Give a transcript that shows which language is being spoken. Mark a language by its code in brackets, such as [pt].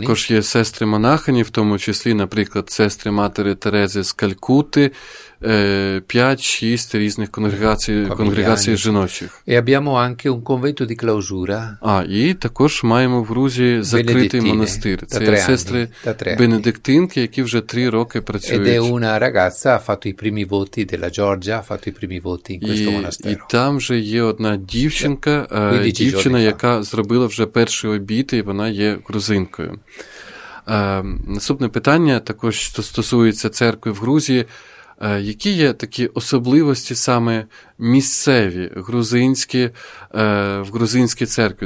[uk] Також є сестри монахині, в тому числі, наприклад, сестри Матері Терези з Калькутти, 5-6 різних конгрегацій жіночих. [it] E abbiamo anche un convento di clausura. [uk] І також маємо в Грузії закритий монастир. Це є сестри бенедиктинки, які вже 3 роки працюють. [it] Ed è una ragazza, ha fatto i primi voti della Georgia, ha fatto i primi voti in questo monastero. [uk] І там вже є одна дівчина, яка зробила вже перші обіти, і вона є грузинкою. Наступне питання також стосується церкви в Грузії. Які є такі особливості саме місцеві, грузинські, в грузинській церкві?